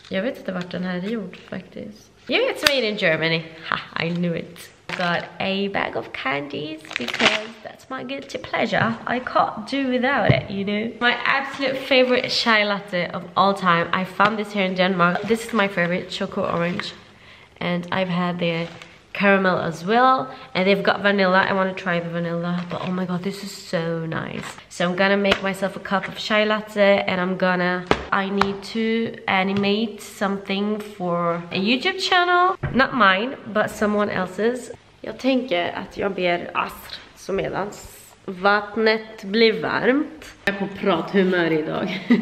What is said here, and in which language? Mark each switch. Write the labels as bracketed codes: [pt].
[sv] Jag vet inte vart den här är gjord faktiskt. [en] Yeah, it's made in Germany. Ha, I knew it. Got a bag of candies because that's my guilty pleasure. I can't do without it, you know. My absolute favorite chai latte of all time. I found this here in Denmark. This is my favorite, choco orange. And I've had their caramel as well. And they've got vanilla. I want to try the vanilla, but oh my god, this is so nice. So I'm gonna make myself a cup of chai latte, and I need to animate something for a YouTube channel. Not mine, but someone else's. [sv] Jag tänker att jag ber Asr, så medans vattnet blir varmt. Jag är på prathumör idag.